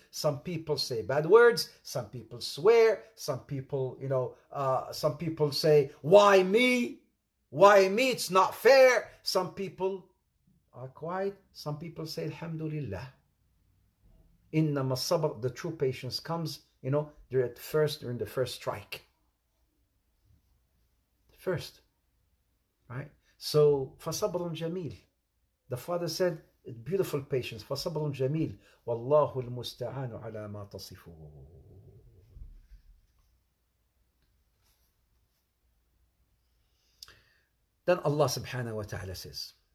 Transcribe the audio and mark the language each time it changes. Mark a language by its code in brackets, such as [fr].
[en] Some people say bad words, some people swear, some people, you know, some people say, why me? Why me? It's not fair. Some people are quiet. Some people say, Alhamdulillah. Inna masabr, the true patience comes, you know, during the first strike. First, right? [ar] So, فَصَبْرٌ جَمِيلٌ. [en] The father said, beautiful patience. [ar] فَصَبْرٌ جَمِيلٌ. وَاللَّهُ الْمُسْتَعَانُ عَلَى مَا تَصِفُونَ. [en] Then Allah subhanahu wa ta'ala says,